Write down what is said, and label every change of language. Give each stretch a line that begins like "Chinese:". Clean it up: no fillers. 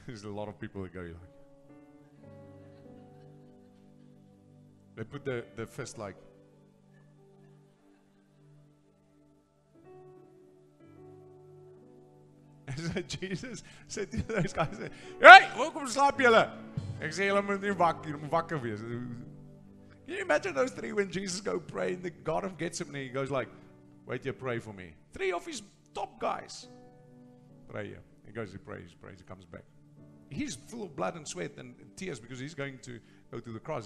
English: There's a lot of people that go like. They put the fist like. And so Jesus said to those guys, hey, welcome to sleep, jylle.
Afrikaans: Ek sê, jylle moet nie wak, jylle moet wakker wees.
English: Can you imagine those three when Jesus go pray and the God of Gethsemane, He goes like, wait, you pray for me. Three of His top guys. Pray here. He goes, he prays, he comes back. He's full of blood and sweat and tears because he's going to go to the cross.